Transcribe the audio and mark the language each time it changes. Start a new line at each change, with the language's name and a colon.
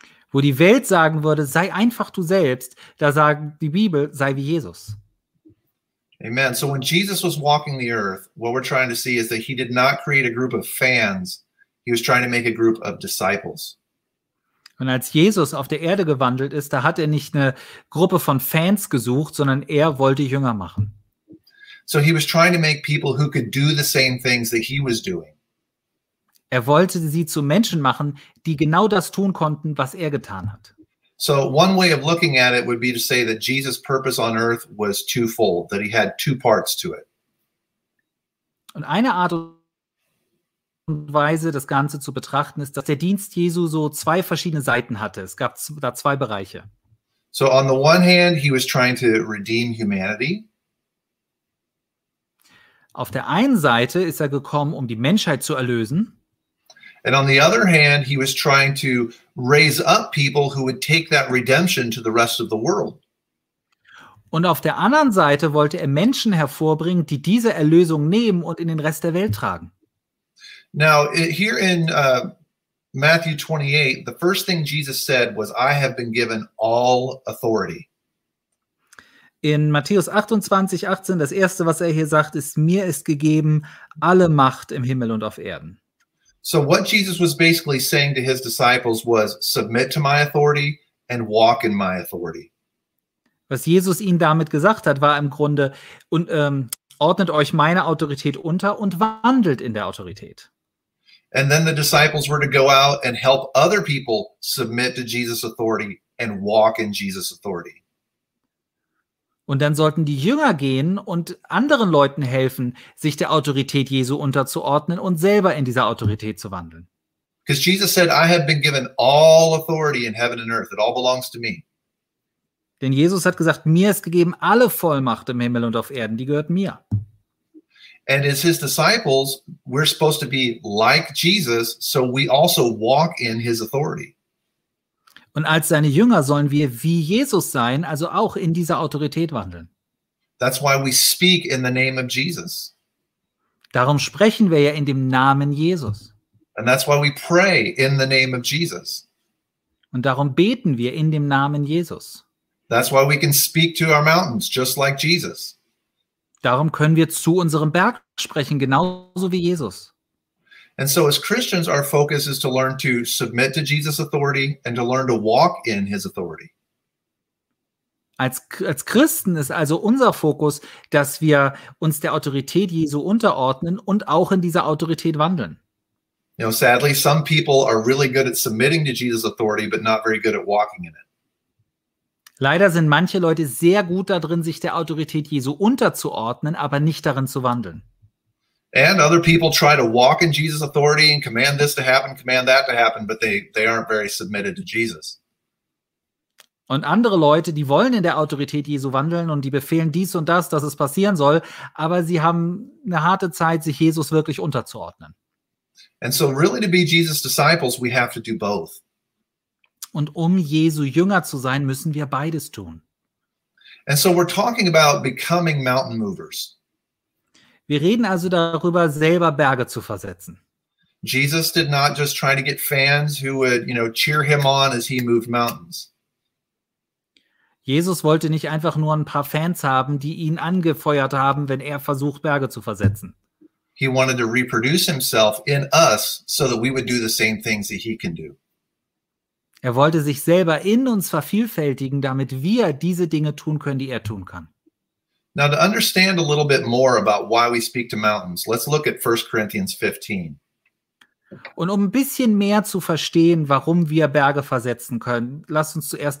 German: Wo die Welt sagen würde, sei einfach du selbst, da sagt die Bibel, sei wie Jesus. Amen.
English: So when Jesus was walking the earth, what we're trying to see is that he did not create a group of fans, he was trying to make a group of disciples.
German: Und als Jesus auf der Erde gewandelt ist, da hat er nicht eine Gruppe von Fans gesucht, sondern er wollte Jünger machen.
English: So he was trying to make people who could do the same things that he was doing.
German: Er wollte sie zu Menschen machen, die genau das tun konnten, was er getan hat.
English: So one way of looking at it would be to say that Jesus' purpose on earth was twofold, that he had two parts to it.
German: Und eine Art und Weise, das Ganze zu betrachten, ist, dass der Dienst Jesu so zwei verschiedene Seiten hatte. Es gab da zwei Bereiche.
English: So on the one hand, he was trying to redeem humanity.
German: Auf der einen Seite ist er gekommen, um die Menschheit zu erlösen.
English: And on the other hand, he was trying to raise up people who would take that redemption to the rest of the world.
German: Und auf der anderen Seite wollte er Menschen hervorbringen, die diese Erlösung nehmen und in den Rest der Welt tragen.
English: Now, here in Matthew 28, the first thing Jesus said was, I have been given all authority.
German: In Matthäus 28, 18, das erste, was er hier sagt, ist, mir ist gegeben alle Macht im Himmel und auf Erden.
English: So what Jesus was basically saying to his disciples was, submit to my authority and walk in my authority.
German: Was Jesus ihnen damit gesagt hat, war im Grunde, ordnet euch meiner Autorität unter und wandelt in der Autorität.
English: And then the disciples were to go out and help other people submit to Jesus' authority and walk in Jesus' authority.
German: Und dann sollten die Jünger gehen und anderen Leuten helfen, sich der Autorität Jesu unterzuordnen und selber in dieser Autorität zu wandeln.
English: Because Jesus said, I have been given all authority in heaven and earth. It all belongs to me.
German: Denn Jesus hat gesagt, mir ist gegeben alle Vollmacht im Himmel und auf Erden, die gehört mir.
English: And as his disciples, we're supposed to be like Jesus, so we also walk in his authority.
German: Und als seine Jünger sollen wir wie Jesus sein, also auch in dieser Autorität wandeln.
English: That's why we speak in the name of Jesus.
German: Darum sprechen wir ja in dem Namen Jesus.
English: And that's why we pray in the name of Jesus.
German: Und darum beten wir in dem Namen Jesus.
English: That's why we can speak to our mountains just like Jesus.
German: Darum können wir zu unserem Berg sprechen, genauso wie Jesus.
English: And so as Christians, our focus is to learn to submit to Jesus' authority and to learn to walk in his authority.
German: Als Christen ist also unser Fokus, dass wir uns der Autorität Jesu unterordnen und auch in dieser Autorität wandeln.
English: You know, sadly, some people are really good at submitting to Jesus' authority, but not very good at walking in it.
German: Leider sind manche Leute sehr gut darin, sich der Autorität Jesu unterzuordnen, aber nicht darin zu wandeln.
English: And other people try to walk in Jesus' authority and command this to happen, command that to happen, but they aren't very submitted to Jesus.
German: Und andere Leute, die wollen in der Autorität Jesu wandeln und die befehlen dies und das, dass es passieren soll, aber sie haben eine harte Zeit, sich Jesus wirklich unterzuordnen.
English: And so really to be Jesus' disciples, we have to do both.
German: Und um Jesu Jünger zu sein, müssen wir beides tun.
English: And so we're talking about becoming mountain movers.
German: Wir reden also darüber, selber Berge zu versetzen.
English: Jesus did not just try to get fans who would, you know, cheer him on as he moved mountains.
German: Jesus wollte nicht einfach nur ein paar Fans haben, die ihn angefeuert haben, wenn er versucht, Berge zu versetzen.
English: He wanted to reproduce himself in us so that we would do the same things that he can do.
German: Er wollte sich selber in uns vervielfältigen, damit wir diese Dinge tun können, die er tun kann.
English: Now to understand a little bit more about why we speak to mountains, let's look at 1 Corinthians 15.
German: Und um ein bisschen mehr zu verstehen, warum wir Berge versetzen können, lass uns zu 1.